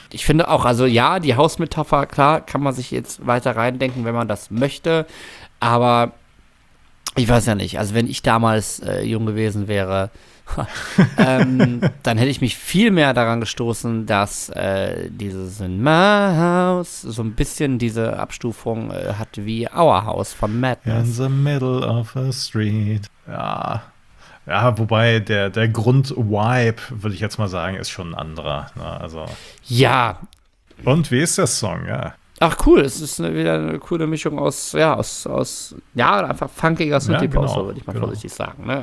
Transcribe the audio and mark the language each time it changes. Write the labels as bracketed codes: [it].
[de] Ich finde auch, also ja, die Hausmetapher, klar, kann man sich jetzt weiter reindenken, wenn man das möchte, aber ich weiß ja nicht, also wenn ich damals jung gewesen wäre, dann hätte ich mich viel mehr daran gestoßen, dass dieses In My House so ein bisschen diese Abstufung hat wie Our House von Madness. [en] In the middle of a street. [de] Ja. Ja, wobei der Grund-Vibe, würde ich jetzt mal sagen, ist schon ein anderer. Ne? Also. Ja. Und wie ist der Song, ja? Ach cool, es ist wieder eine coole Mischung aus einfach funkiger Synthie-Pop, ja, genau, so würde ich mal vorsichtig sagen. Ne?